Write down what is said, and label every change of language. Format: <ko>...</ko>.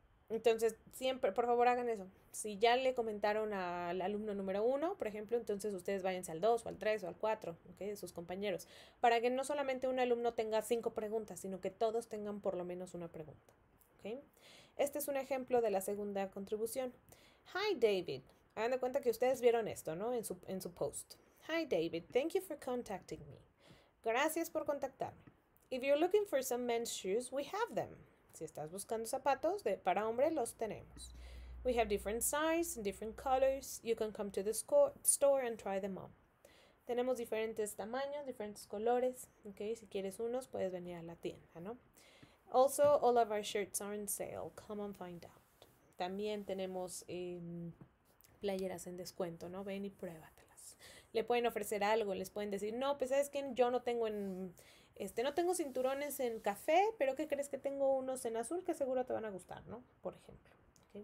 <es>Entonces, siempre, por favor, hagan eso. Si ya le comentaron al alumno número uno, por ejemplo, entonces ustedes váyanse al dos o al tres o al cuatro, ¿okay? De sus compañeros, para que no solamente un alumno tenga cinco preguntas, sino que todos tengan por lo menos una pregunta. ¿Okay? Este es un ejemplo de la segunda contribución.</es> <en>Hi David.</en> <es>Hagan de cuenta que ustedes vieron esto, ¿no? En su post.</es> <en>Hi David, thank you for contacting me.</en> <es>Gracias por contactarme.</es> <en>If you're looking for some men's shoes, we have them.</en> <es>Si estás buscando zapatos para hombre, los tenemos.</es> <en>We have different size and different colors. You can come to the store and try them on.</en> <es>Tenemos diferentes tamaños, diferentes colores. Okay, si quieres unos, puedes venir a la tienda, ¿no?</es> <en>Also, all of our shirts are on sale. Come and find out.</en> <es>También tenemos playeras en descuento, ¿no? Ven y pruébatelas. Le pueden ofrecer algo, les pueden decir, no, pues sabes que yo no tengo no tengo cinturones en café, pero ¿qué crees que tengo unos en azul que seguro te van a gustar, ¿no? Por ejemplo. ¿Okay?</es>